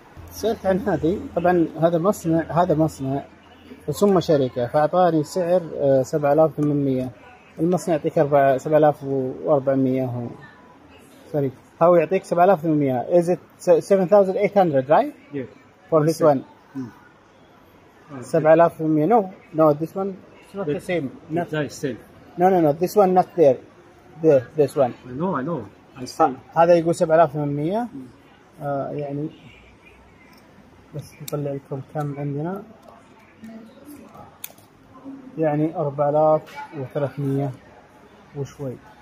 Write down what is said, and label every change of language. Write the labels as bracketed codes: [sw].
[ar] سألت عن هذه، طبعا هذا مصنع، هذا مصنع وسمى شركة، فأعطاني سعر 7800، المصنع يعطيك 7400 هو، سوري هو يعطيك 7800، [en] is it 7800 right؟ Yes. For this one. 7800 no no this one it's not the same. Not the same. No no no this one not there. There this one. I know. [ar] هذا يقول 7800 يعني بس بطلع لكم كم عندنا. يعني 4300 وشوي.